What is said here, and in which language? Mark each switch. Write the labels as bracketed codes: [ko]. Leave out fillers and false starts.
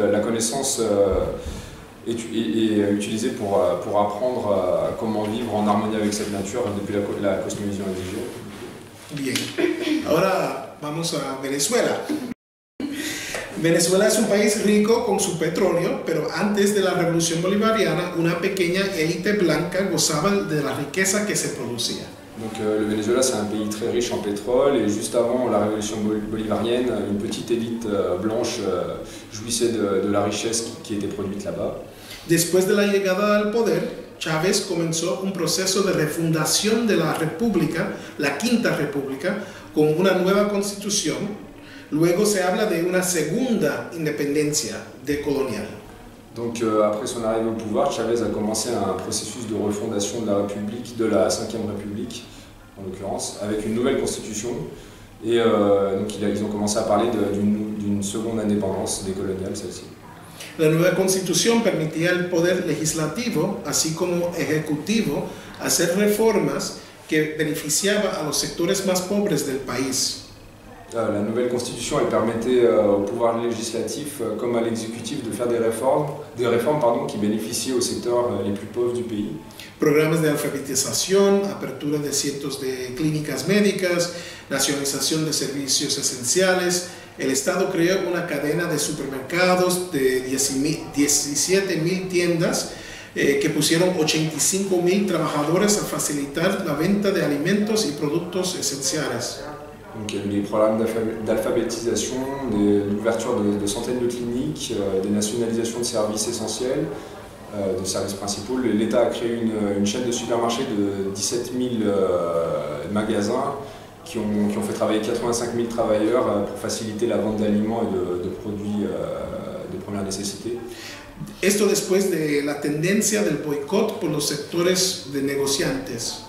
[fr] La connaissance est utilisée pour apprendre comment vivre en harmonie avec cette nature depuis la cosmovision indigène. [es] Bien. Ahora vamos a Venezuela. Venezuela es un país rico con su petróleo, pero antes de la Revolución Bolivariana, una pequeña élite blanca gozaba de la riqueza que se producía. [fr] Donc le Venezuela c'est un pays très riche en pétrole, et juste avant la Révolution Bolivarienne, une petite élite blanche jouissait de la richesse qui était produite là-bas. [es] Después de la llegada al poder, Chávez comenzó un proceso de refundación de la República, la Quinta República, con una nueva constitución. Luego se habla de una segunda independencia decolonial. [fr] Donc après son arrivée au pouvoir, Chávez a commencé un processus de refondation de la République, de la 5e République en l'occurrence, avec une nouvelle constitution. Ils ont commencé à parler d'une seconde indépendance décoloniale, celle-ci. [es] La nueva constitución permitía el poder legislativo, así como ejecutivo, hacer reformas que beneficiaba a los sectores más pobres del país. [fr] La nouvelle constitution, elle permettait au pouvoir législatif comme à l'exécutif de faire des réformes, qui bénéficiaient aux secteurs les plus pauvres du pays. [es] Programas de alfabetización, apertura de cientos de clínicas médicas, nacionalización de servicios esenciales. El Estado creó una cadena de supermercados de 17.000 tiendas que pusieron 85.000 trabajadores a facilitar la venta de alimentos y productos esenciales. [fr] Donc il y a eu des programmes d'alphabétisation, l'ouverture de centaines de cliniques, des nationalisations de services essentiels, de services principaux. L'État a créé une chaîne de supermarchés de 17 000 magasins qui ont fait travailler 85 000 travailleurs pour faciliter la vente d'aliments et de produits de première nécessité. [es] Esto después de la tendencia del boicot por los sectores de negociantes.